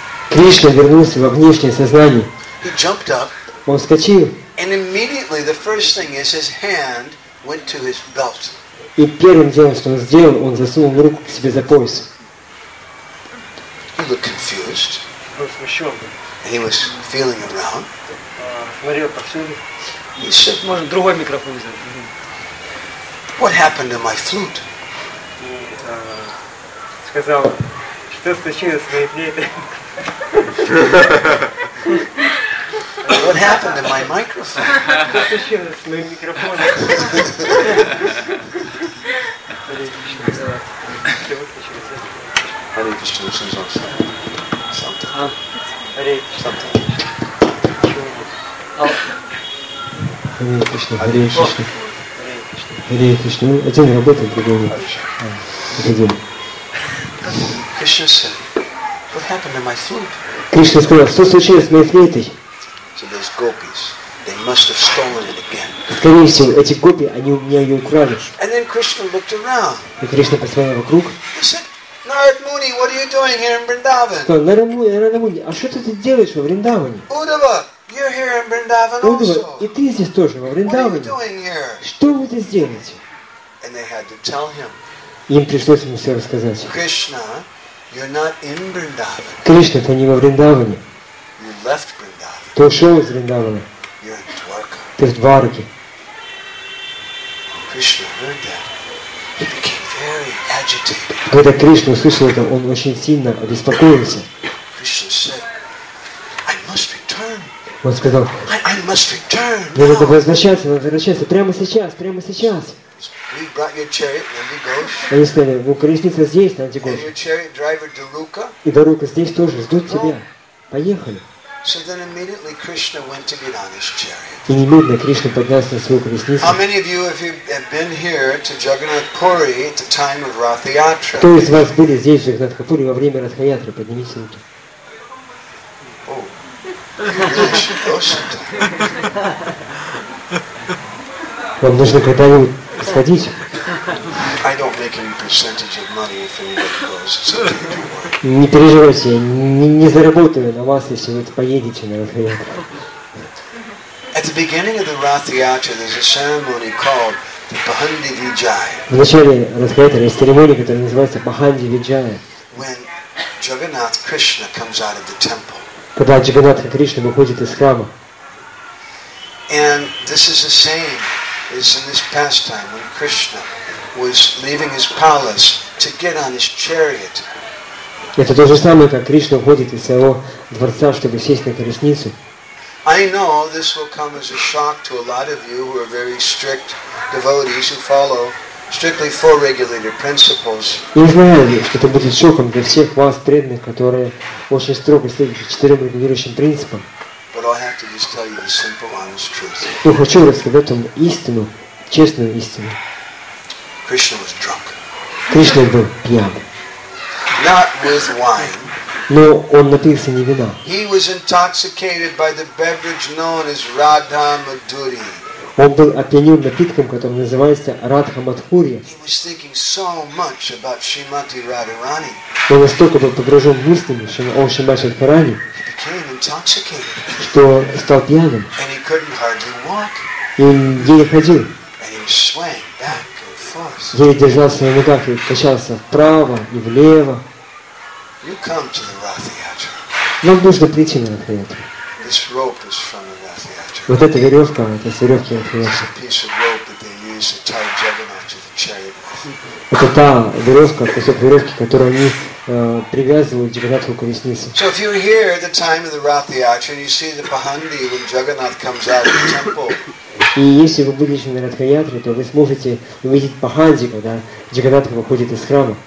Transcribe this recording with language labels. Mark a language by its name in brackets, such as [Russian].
[Russian] Кришна вернулся во внешнее сознание. [English] He jumped up. [Russian] Он вскочил. [English] And immediately the first thing is his hand went to his belt. [Russian] И первым делом, что он сделал, он засунул руку к себе за пояс. [English] He looked confused. And he was feeling around. [Russian] Смотрел повсюду. [English] He said, [Russian] может, другой микрофон взять? [English] What happened to my flute? [Russian] Сказал, что случилось с моей флейтой? [English] What happened to my microphone? Hare Krishna, this is also something. Hare Krishna, Hare Krishna. [Russian] Hare Krishna, один работает, другой один. [English] Krishna said, what happened to my flute? [Russian] Кришна сказал, что случилось с моей флейтой? [English] So those gopis, they must have stolen it again. [Russian] Скорее всего, эти гопи, они у меня ее украли. [English] And then Krishna looked around. [Russian] И Кришна посмотрел вокруг. [English] He said, Narad Muni, what are you doing here in Vrindavan? [Russian] Сказал, Нарад Муни, а что ты делаешь во Вриндаване? [English] Удава, you're here in Vrindavan also. [Russian] Удава, и ты здесь тоже во Вриндаване. [English] What are you doing here? [Russian] Что вы здесь делаете? [English] And they had to tell him. [Russian] Им пришлось ему все рассказать. [English] Krishna, you're not in Vrindavan. [Russian] Кришна, ты не во Вриндаване. [English] You left Vrindavan. [Russian] Ты ушел из Вриндавана. [English] You're in Dwarka. [Russian] Ты в Дварке. [English] Krishna heard that. He became very agitated. [Russian] Когда Кришна услышал это, он очень сильно обеспокоился. [English] Krishna said, I must return. [Russian] Он сказал, [English] I must return. [Russian] Мне надо возвращаться, надо возвращаться. Прямо сейчас. [English] We brought your chariot, Nandigosh. [Russian] Они сказали, у колесницы здесь, Нандигош. [English] And your chariot driver, Daruka. [Russian] И Дарука здесь тоже, ждут тебя. Поехали. [English] So then immediately Krishna went to get on his chariot. [Russian] И немедленно Кришна поднялся на свою колесницу. [English] How many of you have been here to Jagannath Puri at the time of Rath Yatra? [Russian] Кто из вас были здесь, в Jagannath Puri, во время Ратха Ятры? Поднимите руки. [English] Oh. [Russian] Вам нужно когда-нибудь сходить. [English] I don't make any percentage of money if anybody goes. It's okay, don't worry. [Russian] Не переживайте, я не заработаю на вас, если вы поедете на Ратха Ятру. [English] At the beginning of the Ratha Yatra, there's a ceremony called the Bhandi Vijaya. [Russian] В начале Ратха Ятры есть церемония, которая называется Бханди Виджая. [English] When Jagannath Krishna comes out of the temple. [Russian] Когда Джагнатха Кришна выходит из храма. [English] And this is the same. Is in this pastime when Krishna was leaving his palace to get on his chariot. [Russian] Это то же самое, как Кришна уходит из своего дворца, чтобы сесть на колесницу. [English] I know this will come as a shock to a lot of you who are very strict devotees who follow strictly four regulator principles. [Russian] Я знаю, что это будет шоком для всех вас преданных, которые очень строго следуют четырем регулирующим принципам. [English] But I have to just tell you the simple, honest truth. [Russian] Ну хочу рассказать вам истину, честную истину. [English] Krishna was drunk. [Russian] Кришна был пьян. [English] Not with wine. [Russian] Но он напился не вина. [English] He was intoxicated by the beverage known as Radha Madhuri. [Russian] Он был опьянен напитком, который называется Радха Мадхурья. [English] He was thinking so much about Shrimati Radharani. [Russian] Он настолько был погружен в мыслями, что он Шримати Радхарани. Что стал пьяным. [English] And he couldn't hardly walk. [Russian] И еле ходил. [English] And he swang back and forth. [Russian] Еле держался на ногах и качался вправо и влево. [English] You come to the Ratha Yatra. [Russian] Нам нужно прийти на Ратха Ятру. [English] This rope is from the Ratha Yatra. [Russian] Вот эта веревка, это с веревки Ратха Ятры. [English] It's a piece of rope that they use to tie Jagannath to the chariot. [Russian] Это та веревка, кусок веревки, которую они привязывают Джагнатху колесницы. [English] So if you're here at the time of the Ratha Yatra and you see the Pahandi when Jagannath comes out of the temple. [Russian] И если вы будете на Ратха Ятре, то вы сможете увидеть Пахандзи, когда Джагнатх выходит из храма.